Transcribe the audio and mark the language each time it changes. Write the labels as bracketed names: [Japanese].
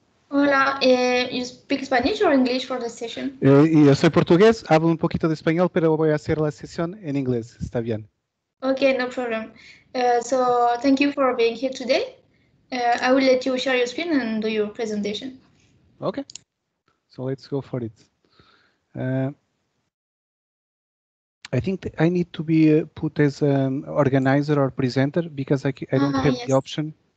[English] Hola, you speak Spanish or English for the session? [Spanish] Yo soy portugués, hablo un poquito de español, pero voy a hacer la sesión en inglés, está bien. [English] Okay, no problem. So thank you for being here today. I will let you share your screen and do your presentation. Okay, so let's go for it. I think I need to be put as an organizer or presenter because I don't have the option.